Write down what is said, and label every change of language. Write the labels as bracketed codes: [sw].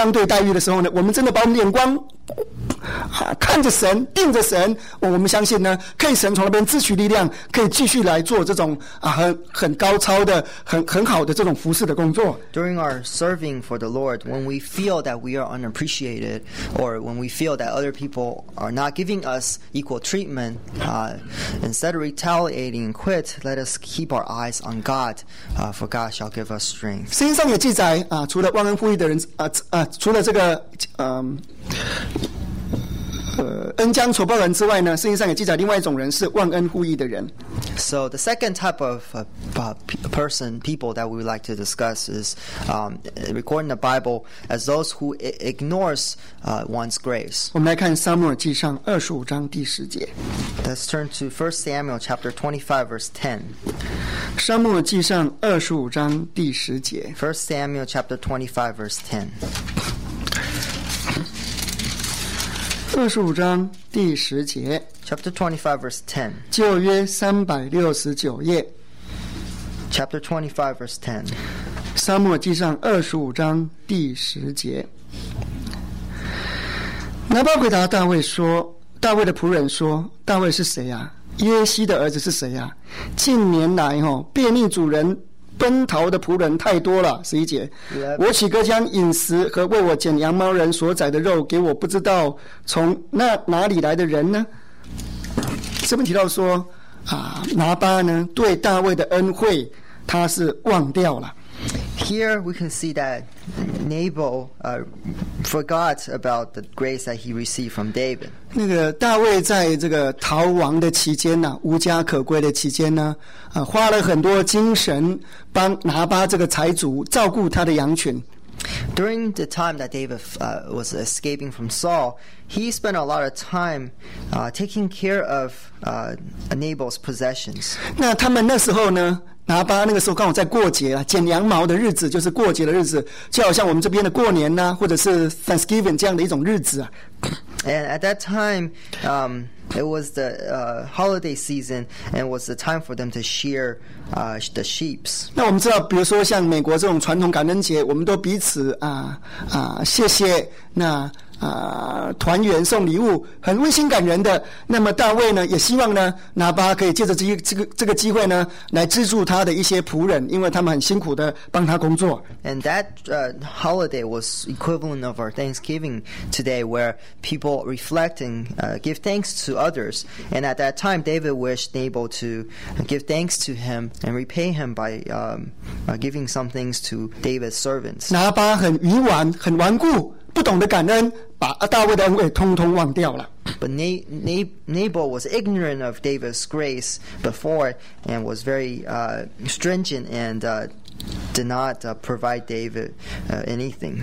[zh] 当我们感到自己没有受到相对待遇的时候呢，我们真的把我们眼光 看着神，定着神，我们相信呢，可以神从那边支取力量，可以继续来做这种很高超的、很好的这种服事的工作。 [en] During our serving for the Lord, when we feel that we are unappreciated, or when we feel that other people are not giving us equal treatment, instead of retaliating and quit, let us keep our eyes on God, for God shall give us strength. [zh] 圣经上也记载， 除了忘恩负义的人， 除了这个， 恩将仇报人之外呢，圣经上也记载另外一种人是忘恩负义的人。 [en] So the second type of person, people that we would like to discuss is recording the Bible as those who ignores one's grace. [zh] 我们来看撒母耳记上25章第10节。 [en] Let's turn to 1 Samuel chapter 25 verse 10. [zh] 撒母耳记上25章第10节。 [en] 1 Samuel chapter 25 verse 10. [zh] 25章第10节 [en] Chapter 25 verse 10 [zh] 旧约369页 [en] Chapter 25 verse 10 [zh] 撒母耳记上25章第10节 拿巴回答大卫说大卫的仆人说大卫是谁啊耶西的儿子是谁啊近年来便利主人 奔逃的仆人太多了，十一节，我岂可将饮食和为我剪羊毛人所宰的肉给我不知道从那哪里来的人呢？这边提到说，拿巴呢对大卫的恩惠，他是忘掉了。 [en] Here we can see that Nabal forgot about the grace that he received from David. [zh] 那个大卫在这个逃亡的期间呢，无家可归的期间呢，花了很多精神帮拿巴这个财主照顾他的羊群。 [en] During the time that David was escaping from Saul, he spent a lot of time taking care of Nabal's possessions. [zh] 那他们那时候呢？拿巴那个时候刚好在过节啊，剪羊毛的日子就是过节的日子，就好像我们这边的过年呐，或者是 Thanksgiving 这样的一种日子啊。 [en] And at that time, it was the holiday season, and it was the time for them to shear the sheep. [zh] 那我们知道，比如说像美国这种传统感恩节，我们都彼此谢谢那。团员送礼物，很温馨感人的。那么大卫呢，也希望呢，拿巴可以借着这个机会呢，来资助他的一些仆人，因为他们很辛苦的帮他工作。 [en] And that holiday was equivalent of our Thanksgiving today, where people reflect and give thanks to others. And at that time, David wished Nabal to give thanks to him and repay him by giving some things to David's servants. [zh] 拿巴很愚顽，很顽固。不懂得感恩，把大卫的恩惠通通忘掉了。 [en] But Nabal was ignorant of David's grace before and was very stringent and did not provide David anything.